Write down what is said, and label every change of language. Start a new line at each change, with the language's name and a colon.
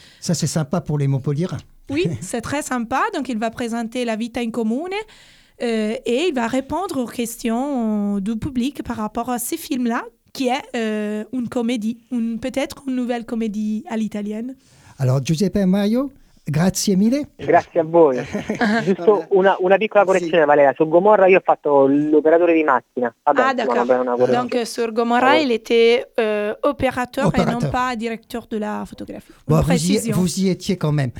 French: Ça, c'est sympa pour les Montpelliérains. Oui, c'est très sympa. Donc, il va présenter La Vita in Comune. Et il va répondre aux questions du public par rapport à ces films-là, qui est une comédie, peut-être une nouvelle comédie à l'italienne. Alors
Italian: Giuseppe Maio, grazie mille. Grazie a voi. Giusto una piccola correzione, sì. Valeria. Su Gomorra io ho fatto l'operatore di macchina. Vabbè,
French: ah d'accord. Donc sur Gomorra il était opérateur et non pas directeur de la photographie. Bon, vous y étiez quand même.